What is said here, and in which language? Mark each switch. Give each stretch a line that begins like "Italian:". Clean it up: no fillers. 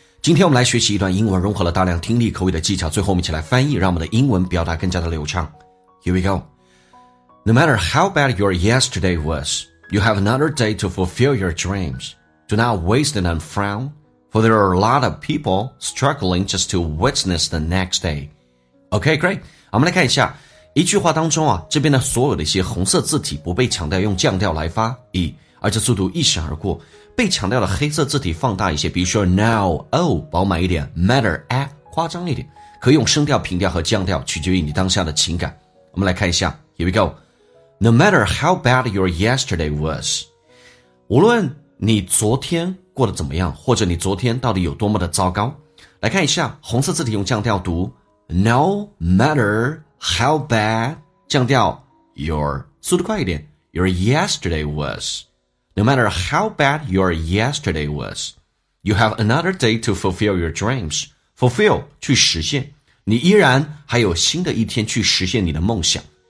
Chinese: 今天我们来学习一段英文，融合了大量听力口语的技巧，最后我们一起来翻译，让我们的英文表达更加的流畅。
English: Here we go。 No matter how bad your yesterday was, you have another day to fulfill your dreams. Do not waste it and frown, for there are a lot of people struggling just to witness the next day. Okay, great.
Chinese: 我们来看一下一句话当中啊，这边的所有的一些红色字体不被强调，用降调来发 e， 而且速度一闪而过。被强调的黑色字体放大一些，比如说 now oh 饱满一点 ，matter at 夸张一点，可以用声调、平调和降调，取决于你当下的情感。我们来看一下 ，
English: here we go。 No matter how bad your yesterday was，
Chinese: 无论你昨天过得怎么样，或者你昨天到底有多么的糟糕，来看一下红色字体用降调读 ，
English: no matter。 How bad,
Chinese: 降调
English: your,
Chinese: 速度快一点
English: your yesterday was. No matter how bad your yesterday was, you have another day to fulfill your dreams.
Chinese: Fulfill, 去实现。你依然还有新的一天去实现你的梦想。